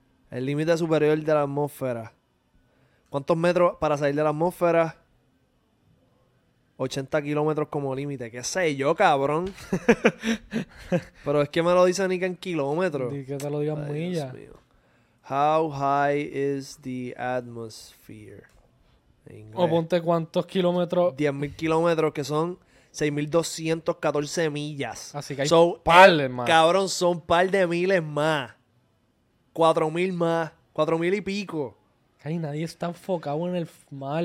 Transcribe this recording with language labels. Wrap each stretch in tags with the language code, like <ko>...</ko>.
<es>El límite superior de la atmósfera. ¿Cuántos metros para salir de la atmósfera? 80 kilómetros como límite. ¿Qué sé yo, cabrón? Pero es que me lo dicen ni que en kilómetros. Y que te lo digan millas.</es> <en>How high is the atmosphere?</en> <es>O ponte cuántos kilómetros. 10.000 kilómetros, que son 6.214 millas. Así que hay un par de más. Cabrón, son un par de miles más. 4.000 más. 4.000 y pico. Ay, nadie está enfocado en el mar.</es>